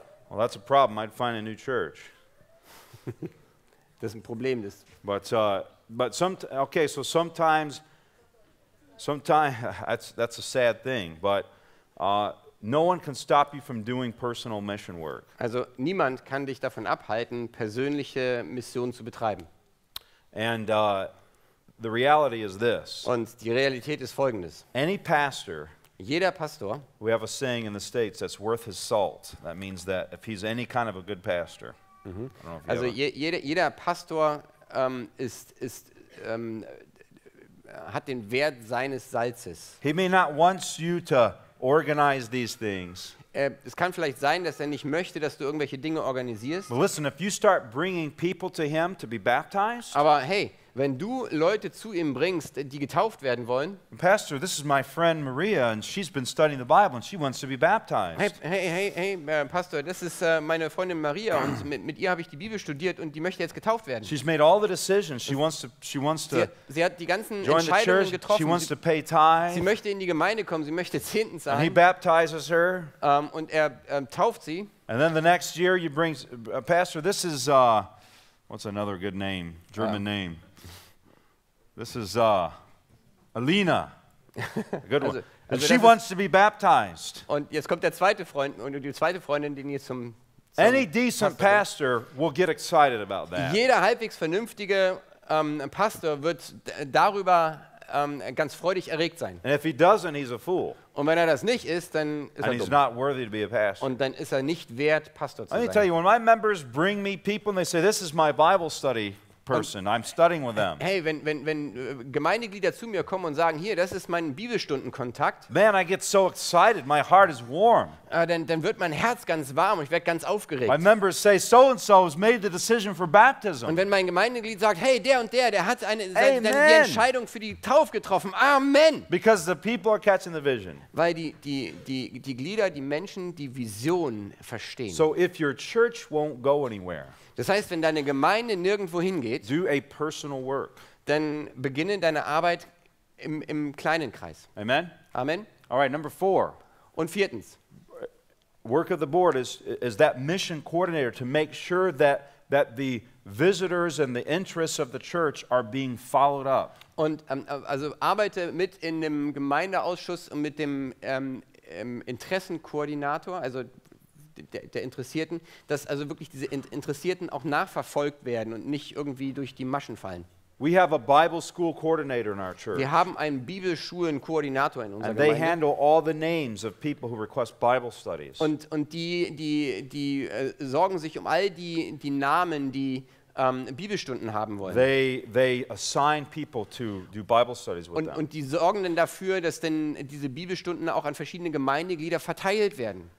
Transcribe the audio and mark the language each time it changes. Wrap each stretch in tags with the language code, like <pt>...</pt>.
<en>Well, that's a problem. I'd find a new church.</en> <de>Das ist ein Problem, das.</de> <en>But sometimes that's a sad thing, but no one can stop you from doing personal mission work.</en> <de>Also, niemand kann dich davon abhalten, persönliche Mission zu betreiben.</de> <en>And the reality is this.</en> <de>Und die Realität ist folgendes.</de> <en>Any pastor.</en> <de>Jeder Pastor,</de> <en>we have a saying in the States that's worth his salt. That means that if he's any kind of a good pastor,</en> <de>also jeder Pastor ist hat den Wert seines Salzes.</de> <en>He may not want you to organize these things.</en> <de>Es kann vielleicht sein, dass er nicht möchte, dass du irgendwelche Dinge organisierst.</de> <en>But listen, if you start bringing people to him to be baptized,</en> <de>aber hey. Wenn du Leute zu ihm bringst, die getauft werden wollen.</de> <en>Pastor, this is my friend Maria and she's been studying the Bible and she wants to be baptized.</en> <de>Hey, Pastor, das ist meine Freundin Maria und mit ihr habe ich die Bibel studiert und die möchte jetzt getauft werden.</de> <en>She's made all the decisions. She wants to.</en> <de>Sie hat die ganzen Entscheidungen getroffen.</de> <en>She wants to pay tithe.</en> <de>Sie möchte in die Gemeinde kommen, sie möchte Zehnten zahlen.</de> <en>And he baptizes her.</en> <de>Und er tauft sie.</de> <en>And then the next year you bring Pastor, this is what's another good name? German name. This is Alina. Good one.</en> <de>Also</de> <en>she wants to be baptized.</en> <de>Und jetzt kommt der zweite Freund und die zweite Freundin, die hier zum</de> <en>Any decent pastor will get excited about that.</en> <de>Jeder halbwegs vernünftige Pastor wird darüber ganz freudig erregt sein.</de> <en>And if he doesn't, he's a fool.</en> <de>Und wenn er das nicht ist, dann ist</de> <en>And</en> <de>er</de> <en>he's</en> <de>dumm.</de> <en>Not worthy to be a pastor.</en> <de>Und dann ist er nicht wert, Pastor zu sein.</de> <en>Let me tell you, when my members bring me people and they say, "This is my Bible study." Person. I'm studying with them.</en> <de>Hey, wenn Gemeindeglieder zu mir kommen und sagen, hier, das ist mein Bibelstundenkontakt.</de> <en>Man, I get so excited. My heart is warm.</en> <de>Dann wird mein Herz ganz warm und ich werde ganz aufgeregt.</de> <en>My members say, so and so has made the decision for baptism.</en> <de>Und wenn mein Gemeindeglied sagt, hey, der und der hat die Entscheidung für die Taufe getroffen.</de> <en>Amen. Because the people are catching the vision.</en> <de>Weil die Glieder, die Menschen, die Vision verstehen.</de> <en>So if your church won't go anywhere.</en> <de>Das heißt, wenn deine Gemeinde nirgendwo hingeht,</de> <en>do a personal work.</en> <de>dann beginne deine Arbeit im kleinen Kreis.</de> <en>Amen. Amen. All right, number four.</en> <de>Und viertens.</de> <en>Work of the board is that mission coordinator to make sure that the visitors and the interests of the church are being followed up.</en> <de>Und also arbeite mit in dem Gemeindeausschuss und mit dem Interessenkoordinator, also der Interessierten, dass also wirklich diese Interessierten auch nachverfolgt werden und nicht irgendwie durch die Maschen fallen.</de> <en>We have a Bible school coordinator in our church.</en> <de>Wir haben einen Bibelschulenkoordinator in unserer Gemeinde.</de> <en>They handle all the names of people who request Bible studies.</en> <de>Und die sorgen sich um all die Namen, die Bibelstunden haben wollen.</de> <en>They assign people to do Bible studies with them.</en> <de>Und die sorgen dann dafür, dass denn diese Bibelstunden auch an verschiedene Gemeindeglieder verteilt werden.</de>